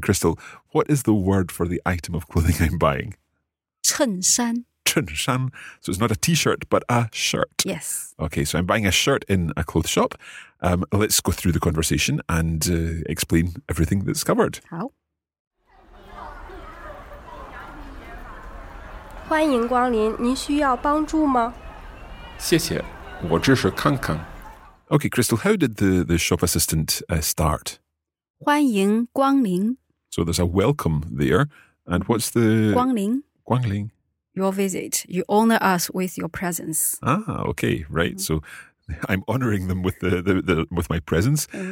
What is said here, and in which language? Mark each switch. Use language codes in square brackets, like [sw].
[en] Crystal, what is the word for the item of clothing I'm buying? [zh] 衬衫。衬衫。 [en] So it's not a t-shirt, but a shirt. Yes. Okay, so I'm buying a shirt in a clothes shop. Let's go through the conversation and explain everything that's covered. [zh] 好。欢迎光临，您需要帮助吗？谢谢，我只是看看。 [en] Okay, Crystal, how did the shop assistant start? [zh] 欢迎光临。 [en] So there's a welcome there. And what's the... [zh] 光临。光临。 [en] Your visit. You honor us with your presence. Ah, okay, right. So I'm honoring them with the with my presence.